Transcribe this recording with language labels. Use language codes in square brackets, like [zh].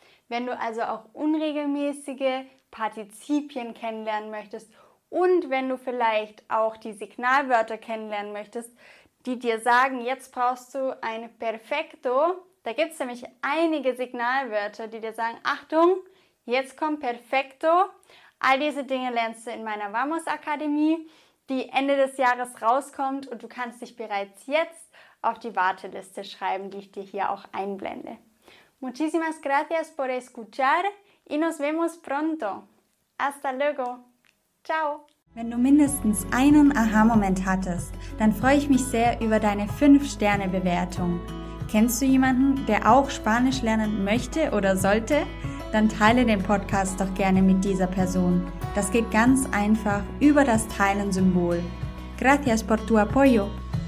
[de] Wenn du also auch unregelmäßige Partizipien kennenlernen möchtest und wenn du vielleicht auch die Signalwörter kennenlernen möchtest, die dir sagen, jetzt brauchst du ein Perfecto, da gibt's nämlich einige Signalwörter, die dir sagen, Achtung, jetzt kommt Perfecto. All diese Dinge lernst du in meiner Vamos-Akademie, die Ende des Jahres rauskommt und du kannst dich bereits jetzt auf die Warteliste schreiben, die ich dir hier auch einblende. [es] Muchísimas gracias por escuchar y nos vemos pronto. Hasta luego. Ciao. [de] Wenn du mindestens einen Aha-Moment hattest, dann freue ich mich sehr über deine 5-Sterne-Bewertung. Kennst du jemanden, der auch Spanisch lernen möchte oder sollte? Dann teile den Podcast doch gerne mit dieser Person. Das geht ganz einfach über das Teilen-Symbol. [es] Gracias por tu apoyo.